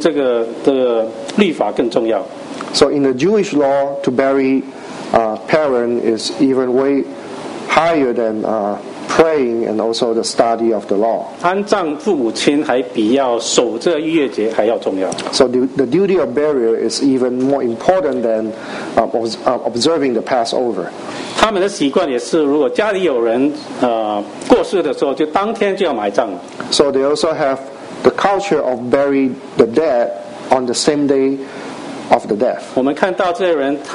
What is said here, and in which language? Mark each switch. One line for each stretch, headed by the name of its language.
Chinese: 就是在犹太人的律法里面，甚至是比他们祷告的更重要，甚至是比他们要读这个律法更重要。
English: So in the Jewish law, to bury a parent is even way higher than praying and also the study of the law.
Chinese: 安葬父母亲还比要守这逾越节还要重要。
English: So the duty of burial is even more important than observing the Passover.
Chinese: 他们的习惯也是，如果家里有人 过世的时候，就当天就要埋葬。
English: So they also have the culture of bury the dead on the same day of the death.